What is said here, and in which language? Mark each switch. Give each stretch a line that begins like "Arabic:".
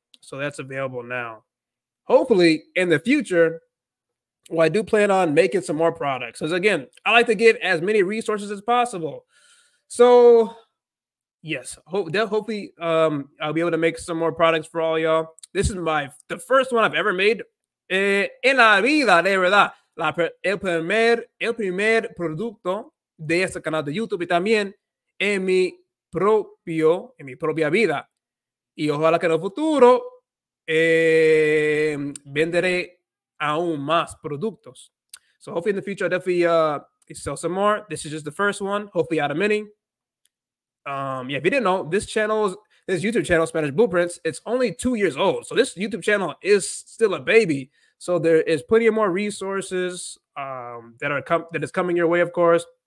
English: So that's available now. Hopefully in the future, I do plan on making some more products. Because again, I like to give as many resources as possible. So yes, hopefully I'll be able to make some more products for all y'all. This is the first one I've ever made.
Spanish: En la vida, de verdad. El primer producto de este canal de YouTube y también en mi propia vida. Y ojalá que en el futuro venderé aún más productos.
English: So hopefully in the future, I'll definitely sell some more. This is just the first one, hopefully out of many. If you didn't know, this YouTube channel, Spanish Blueprints, it's only 2 years old. So this YouTube channel is still a baby. So there is plenty of more resources that is coming your way, of course.